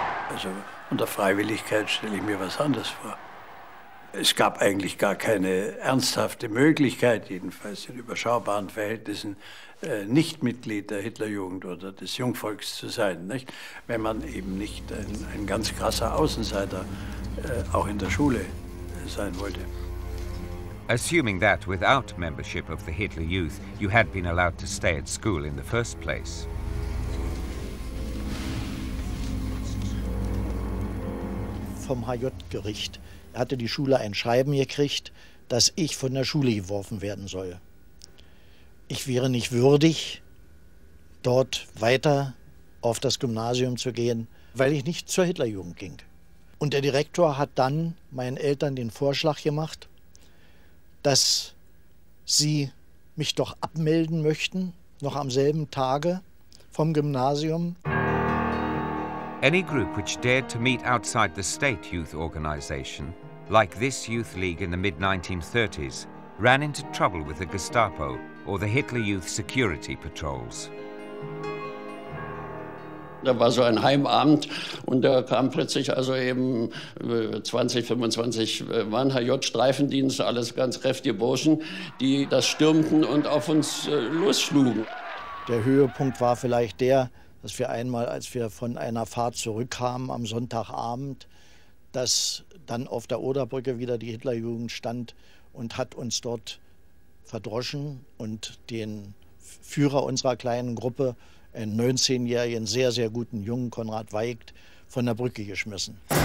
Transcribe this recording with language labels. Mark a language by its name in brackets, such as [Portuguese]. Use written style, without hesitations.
[German] Also unter Freiwilligkeit stelle ich mir was anderes vor. Es gab eigentlich gar keine ernsthafte Möglichkeit, jedenfalls in überschaubaren Verhältnissen, nicht Mitglied der Hitlerjugend oder des Jungvolks zu sein, nicht? Wenn man eben nicht ein ganz krasser Außenseiter auch in der Schule sein wollte. [English] Assuming that without membership of the Hitler Youth, you had been allowed to stay at school in the first place. [German] Vom HJ-Gericht. Er hatte die Schule ein Schreiben gekriegt, dass ich von der Schule geworfen werden soll. Ich wäre nicht würdig, dort weiter auf das Gymnasium zu gehen, weil ich nicht zur Hitlerjugend ging. Und der Direktor hat dann meinen Eltern den Vorschlag gemacht, dass sie mich doch abmelden möchten, noch am selben Tage vom Gymnasium. [English] Any group which dared to meet outside the state youth organization, like this youth league in the mid-1930s, ran into trouble with the Gestapo or the Hitler Youth security patrols. [German] Da war so ein Heimabend und da kamen plötzlich also eben 20, 25 Mann, HJ-Streifendienst, alles ganz kräftige Burschen, die das stürmten und auf uns losschlugen. Der Höhepunkt war vielleicht der, dass wir einmal, als wir von einer Fahrt zurückkamen am Sonntagabend, dass dann auf der Oderbrücke wieder die Hitlerjugend stand und hat uns dort verdroschen und den Führer unserer kleinen Gruppe, einen 19-jährigen, sehr, sehr guten Jungen, Konrad Weigt, von der Brücke geschmissen.